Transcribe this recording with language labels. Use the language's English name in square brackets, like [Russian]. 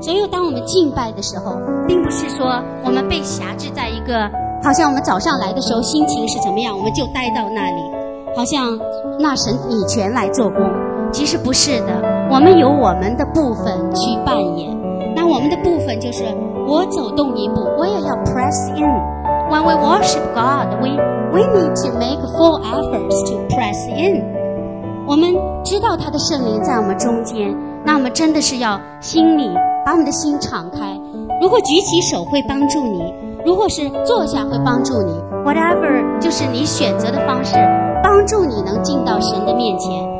[Chinese] 所以当我们敬拜的时候，并不是说我们被辖制在一个，好像我们早上来的时候心情是怎么样我们就待到那里，好像那神以前来做工，其实不是的。我们有我们的部分去扮演，那我们的部分就是我走动一步，我也要 press in。 [English] When we worship God, we need to make full efforts to press in。 [Chinese] 我们知道他的圣灵在我们中间，那我们真的是要心里把我们的心敞开。如果举起手会帮助你，如果是坐下会帮助你， whatever 就是你选择的方式帮助你能进到神的面前。